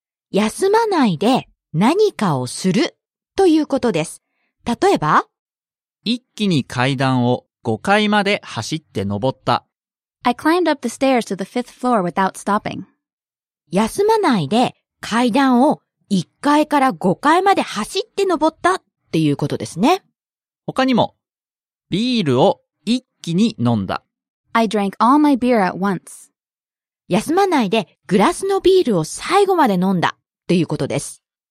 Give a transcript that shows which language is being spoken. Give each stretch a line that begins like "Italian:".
Japanese: 休まないで何かをするということです。例えば一気に階段を5階まで走って登った
English: I climbed up the stairs to the fifth floor without stopping.
Japanese: 休まないで階段を1階から5階まで走って登ったっていうことですね。他にも、ビールを一気に飲んだ。
English: I drank all my beer at once.
Japanese: 休まないでグラスのビールを最後まで飲んだっていうことです。